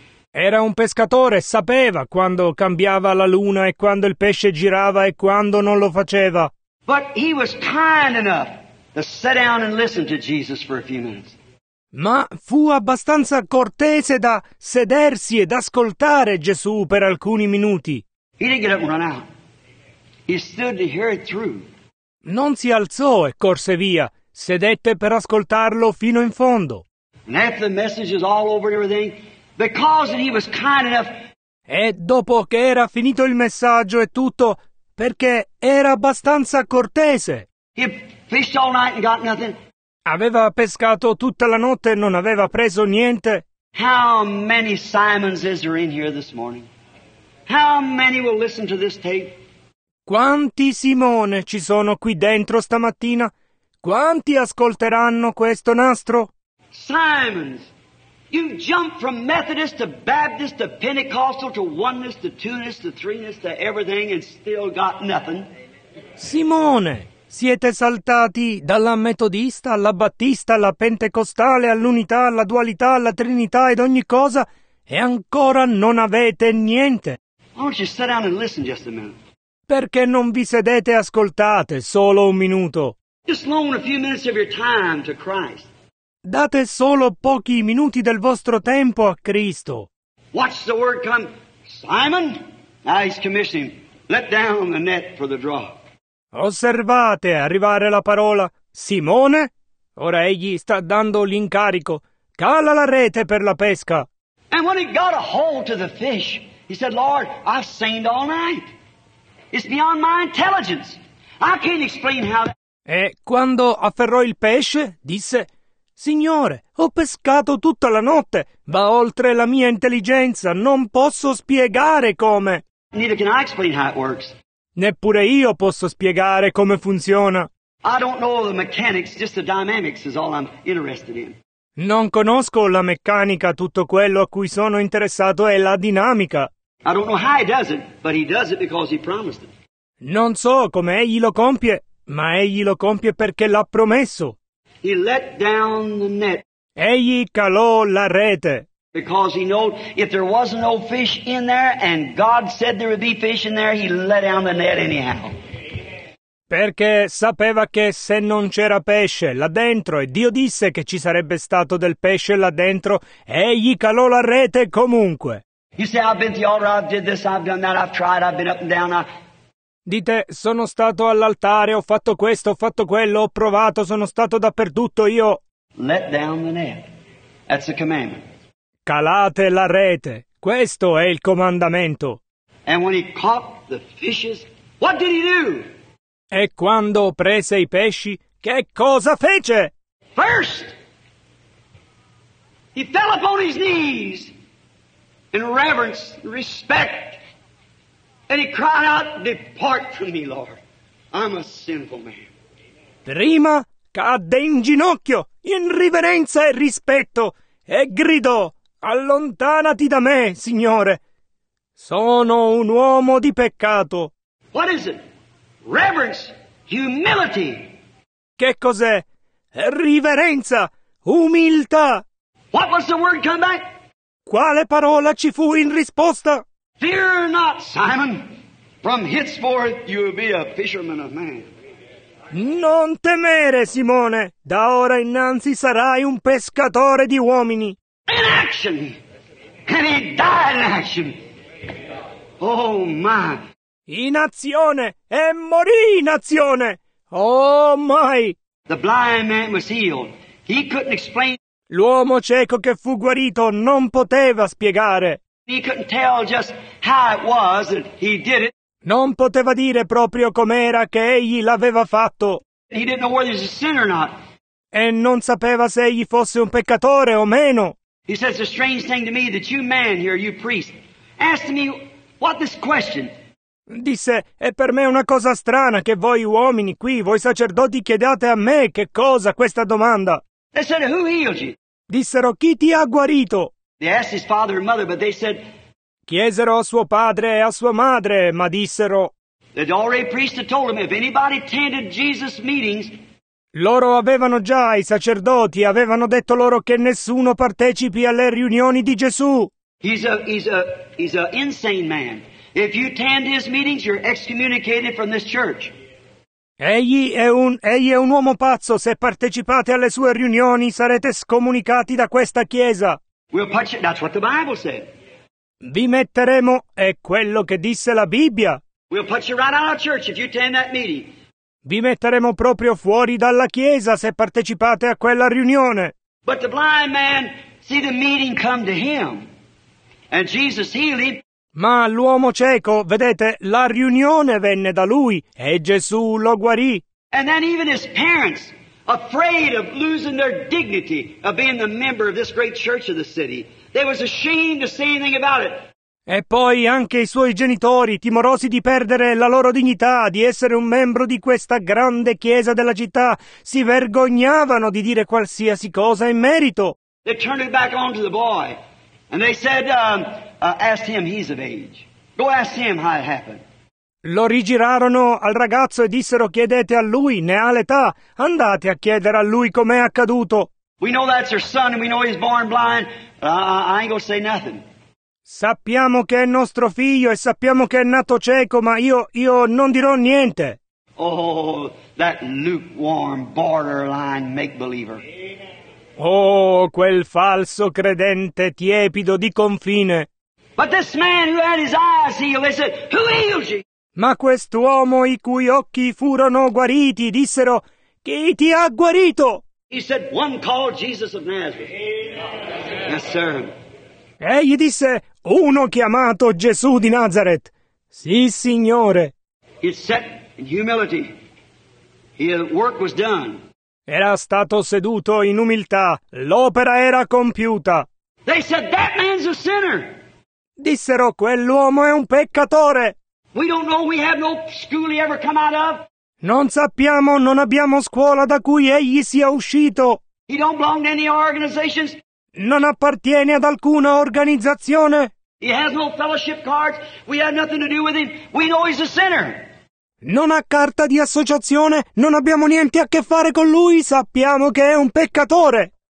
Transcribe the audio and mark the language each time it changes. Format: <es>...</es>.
<it>Era un pescatore, sapeva quando cambiava la luna e quando il pesce girava e quando non lo faceva.</it> <en>But he was kind enough to sit down and listen to Jesus for a few minutes.</en> <it>Ma fu abbastanza cortese da sedersi ed ascoltare Gesù per alcuni minuti.</it> <en>He didn't get up and run out. He stood to hear it through.</en> <it>Non si alzò e corse via, sedette per ascoltarlo fino in fondo.</it> <en>And after the message is all over and everything, because he was kind enough.</en> <it>E dopo che era finito il messaggio e tutto, perché era abbastanza cortese.</it> <en>He fished all night and got nothing.</en> <it>Aveva pescato tutta la notte e non aveva preso niente.</it> <en>How many Simons is there in here this morning? How many will listen to this tape?</en> <it>Quanti Simone ci sono qui dentro stamattina? Quanti ascolteranno questo nastro?</it> <en>Simons, you've jumped from Methodist to Baptist to Pentecostal to Oneness to Twoness to Threeness to everything and still got nothing.</en> <it>Simone! Siete saltati dalla metodista, alla battista, alla pentecostale, all'unità, alla dualità, alla trinità ed ogni cosa, e ancora non avete niente.</it> <en>Why don't you sit down and listen just a minute?</en> <it>Perché non vi sedete e ascoltate solo un minuto?</it> <en>Just loan a few minutes of your time to Christ.</en> <it>Date solo pochi minuti del vostro tempo a Cristo.</it> <en>Watch the word come. Simon? Now he's commissioning. Let down the net for the draw.</en> <it>Osservate arrivare la parola Simone. Ora egli sta dando l'incarico. Cala la rete per la pesca.</it> <en>And when he got a hold to the fish, he said, Lord, I've seen all night. It's beyond my intelligence. I can't explain how.</en> <it>E quando afferrò il pesce, disse, Signore, ho pescato tutta la notte. Va oltre la mia intelligenza. Non posso spiegare come.</it> <en>Neither can I explain how it works.</en> <it>Neppure io posso spiegare come funziona.</it> <en>I don't know the mechanics, just the dynamics is all I'm interested in.</en> <it>Non conosco la meccanica, tutto quello a cui sono interessato è la dinamica.</it> <en>I don't know how he does it, but he does it because he promised it.</en> <it>Non so come egli lo compie, ma egli lo compie perché l'ha promesso.</it> <en>He let down the net.</en> <it>Egli calò la rete.</it> <en>Because he knew if there was no fish in there and God said there would be fish in there, he let down the net anyhow.</en> <it>Perché sapeva che se non c'era pesce là dentro e Dio disse che ci sarebbe stato del pesce là dentro, egli calò la rete comunque.</it> <en>You say, I've been to the altar, I've did this, I've done that, I've tried, I've been up and down.</en> <it>Dite, sono stato all'altare, ho fatto questo, ho fatto quello, ho provato, sono stato dappertutto, io.</it> <en>Let down the net. That's the commandment.</en> <it>Calate la rete. Questo è il comandamento.</it> <en>And when he caught the fishes, what did he do?</en> <it>E quando prese i pesci, che cosa fece?</it> <en>First, he fell upon his knees in reverence and respect. And he cried out, depart from me, Lord. I'm a sinful man.</en> <it>Prima cadde in ginocchio, in riverenza e rispetto, e gridò. Allontanati da me, Signore. Sono un uomo di peccato.</it> <en>What is it? Reverence, humility.</en> <it>Che cos'è? Riverenza, umiltà.</it> <en>What was the word come back?</en> <it>Quale parola ci fu in risposta?</it> <en>Fear not, Simon. From henceforth you will be a fisherman of men.</en> <it>Non temere, Simone. Da ora innanzi sarai un pescatore di uomini.</it> <en>In action! and he died in action. Oh, my.</en> <it>In azione, e morì in azione.</it> <en>Oh, my. The blind man was healed. He couldn't explain.</en> <it>L'uomo cieco che fu guarito non poteva spiegare.</it> <en>He couldn't tell just how it was that he did it.</en> <it>Non poteva dire proprio com'era che egli l'aveva fatto.</it> <en>He didn't know whether he was a sinner or not.</en> <it>E non sapeva se egli fosse un peccatore o meno.</it> <en>He said, it's a strange thing to me that you man here, you priest, asked me what this question.</en> <it>Disse, è per me una cosa strana che voi uomini qui, voi sacerdoti, chiedate a me che cosa questa domanda.</it> <en>They said, who healed you?</en> <it>Dissero, chi ti ha guarito?</it> <en>They asked his father and mother, but they said,</en> <it>chiesero a suo padre e a sua madre, ma dissero,</it> <en>the Dore priest had told him, if anybody attended Jesus' meetings,</en> <it>loro avevano già, i sacerdoti, avevano detto loro che nessuno partecipi alle riunioni di Gesù.</it> <en>He's a insane man. If you attend his meetings, you're excommunicated from this church.</en> <it>Egli è un uomo pazzo. Se partecipate alle sue riunioni, sarete scomunicati da questa chiesa.</it> <en>We'll punch it. That's what the Bible said.</en> <it>Vi metteremo, è quello che disse la Bibbia.</it> <en>We'll punch you right out of church if you attend that meeting.</en> <it>Vi metteremo proprio fuori dalla chiesa se partecipate a quella riunione.</it> <en>But the blind man see the meeting come to him, and Jesus healed him.</en> <it>Ma l'uomo cieco, vedete, la riunione venne da lui e Gesù lo guarì.</it> <en>And then even his parents, afraid of losing their dignity of being the member of this great church of the city, they was ashamed to say anything about it.</en> <it>E poi anche i suoi genitori, timorosi di perdere la loro dignità di essere un membro di questa grande chiesa della città, si vergognavano di dire qualsiasi cosa in merito.</it> <en>They turned it back on to the boy, and they said, ask him, he's of age. Go ask him how it happened.</en> <it>Lo rigirarono al ragazzo e dissero, chiedete a lui, ne ha l'età, andate a chiedere a lui com'è accaduto.</it> <en>We know that's her son and we know he's born blind. I ain't gonna say nothing.</en> <it>Sappiamo che è nostro figlio e sappiamo che è nato cieco, ma io non dirò niente.</it> <en>Oh, that lukewarm borderline make-believer.</en> <it>Oh, quel falso credente tiepido di confine.</it> <en>But this man who had his eyes healed, they said, who healed you?</en> <it>Ma quest'uomo i cui occhi furono guariti, dissero, chi ti ha guarito?</it> <en>He said, one called Jesus of Nazareth. Yes, sir.</en> <it>Egli disse, uno chiamato Gesù di Nazareth. Sì, signore.</it> <en>He sat in humility. His work was done.</en> <it>Era stato seduto in umiltà. L'opera era compiuta.</it> <en>They said, that man's a sinner.</en> <it>Dissero, quell'uomo è un peccatore.</it> <en>We don't know, we have no school he ever come out of.</en> <it>Non sappiamo, non abbiamo scuola da cui egli sia uscito.</it> <en>He don't belong to any organizations.</en> <it>Non appartiene ad alcuna organizzazione.</it> <en>He has no fellowship cards. We have nothing to do with him. We know he's a sinner.</en> <it>Non ha carta di associazione. Non abbiamo niente a che fare con lui. Sappiamo che è un peccatore.</it>